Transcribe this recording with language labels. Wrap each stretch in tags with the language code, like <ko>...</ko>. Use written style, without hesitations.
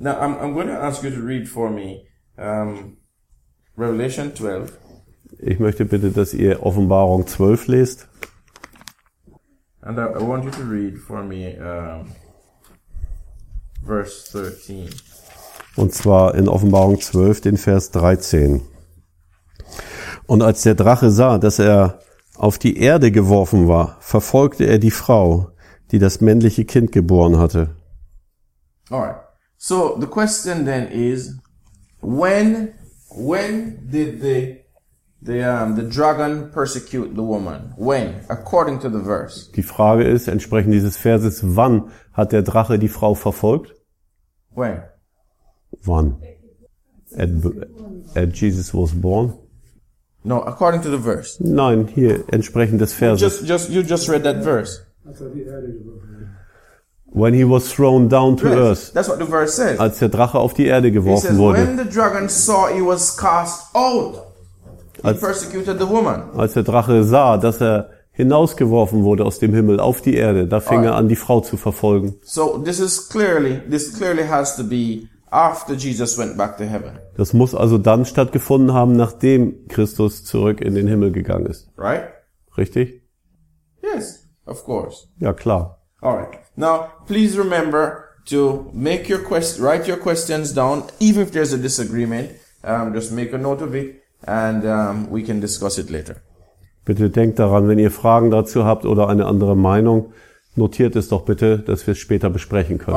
<en>Now, I'm going to ask you to read for me Revelation 12.</en> <de>Ich möchte bitte, dass ihr Offenbarung 12 lest.</de> <en>And I want you to read for me verse 13.</en> <de>Und zwar in Offenbarung 12, den Vers 13. Und als der Drache sah, dass er auf die Erde geworfen war, verfolgte er die Frau, die das männliche Kind geboren hatte.</de> <en>Alright. So the question then is, when did the dragon persecute the woman? When? According to the verse.</en> <de>Die Frage ist entsprechend dieses Verses, wann hat der Drache die Frau verfolgt?</de> <en>When?</en> <de>Wann?</de> <en>At Jesus was born. No, according to the verse.</en> <de>Nein, hier entsprechend des Verses.</de> <en>You just read that verse. When he was thrown down to earth. That's what the verse says.</en> <de>Als der Drache auf die Erde geworfen wurde.</de> <en>When the dragon saw he was cast out, he persecuted the woman.</en> <de>Als der Drache sah, dass er hinausgeworfen wurde aus dem Himmel auf die Erde, da fing er an, die Frau zu verfolgen.</de> <en>So this clearly has to be after Jesus went back to heaven.</en> <de>Das muss also dann stattgefunden haben, nachdem Christus zurück in den Himmel gegangen ist.</de> <en>Right?</en> <de>Richtig?</de> <en>Yes, of Of course.</en> <de>Ja, klar.</de> <en>All right. Now, please remember to make your write your questions down, even if there's a disagreement. Just make a note of it and we can discuss it later.</en> <de>Bitte denkt daran, wenn ihr Fragen dazu habt oder eine andere Meinung, notiert es doch bitte, dass wir es später besprechen können.</de>